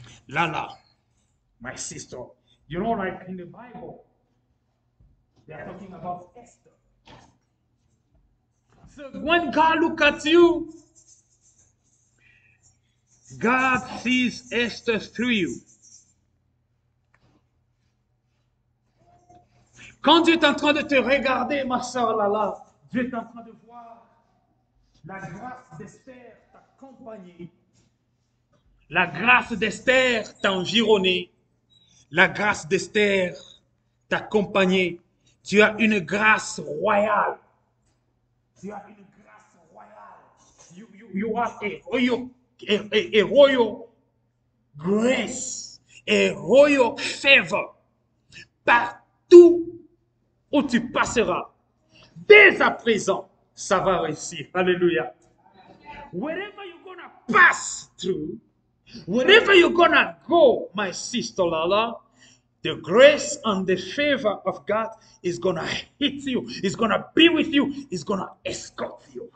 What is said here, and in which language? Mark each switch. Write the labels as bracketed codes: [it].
[en] Lala, my sister, you know, like in the Bible, they are talking about Esther. So when God looks at you, God sees Esther through you. [fr] Quand Dieu est en train de te regarder, ma soeur Lala, Dieu est en train de voir la grâce d'Esther t'accompagner. La grâce d'Esther t'a environné. La grâce d'Esther t'a accompagné. Tu as une grâce royale. Tu as une grâce royale. [en] You are a royal grace. A royal favor. [fr] Partout où tu passeras, dès à présent, ça va réussir. Alléluia. [en] Wherever you're gonna pass through, wherever you're gonna go, my sister Lala, the grace and the favor of God is gonna hit you, is gonna be with you, is gonna escort you.